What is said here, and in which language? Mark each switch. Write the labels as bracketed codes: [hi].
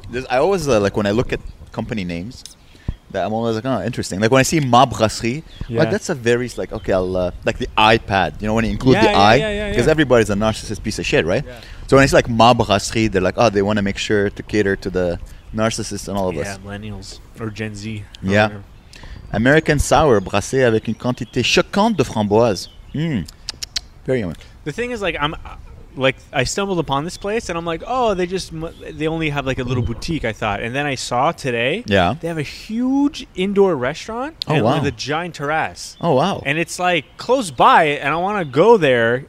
[en] I always like when I look at company names, that I'm always like, oh, interesting. Like when I see Ma Brasserie, like that's a very, like, okay, I'll, like the iPad, you know, when you include because everybody's a narcissist piece of shit, right? Yeah. So when I see like Ma Brasserie, they're like, oh, they want to make sure to cater to the narcissists and all of us. Yeah, millennials or Gen Z. Yeah. Whatever. American sour, [fr] brassé avec une quantité choquante de framboise. [en] Mmm. Very young. The thing is, like, I stumbled upon this place, and I'm like, oh, they only have like a little boutique, I thought. And then I saw today, they have a huge indoor restaurant with a giant terrace. Oh, wow. And it's like close by, and I want to go there.